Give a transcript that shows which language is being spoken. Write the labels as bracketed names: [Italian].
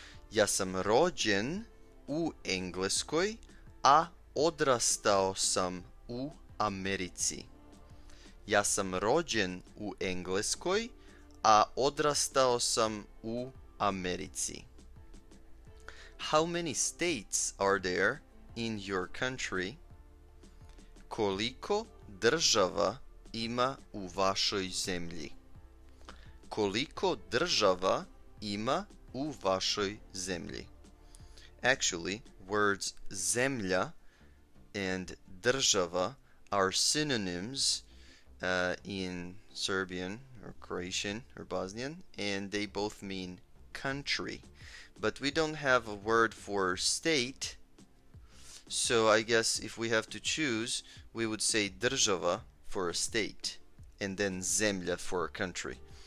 [Serbian] Ja sam rođen u Engleskoj, a odrastao sam u Americi. Ja sam rođen u Engleskoj, a odrastao sam u Americi. [English] How many states are there in your country? [Serbian] Koliko država ima u vašoj zemlji? Koliko država ima u vašoj zemlji? [English] Actually, words zemlja and država are synonyms in Serbian or Croatian or Bosnian, and they both mean country. But we don't have a word for state, so I guess if we have to choose, we would say država for a state and then zemlja for a country.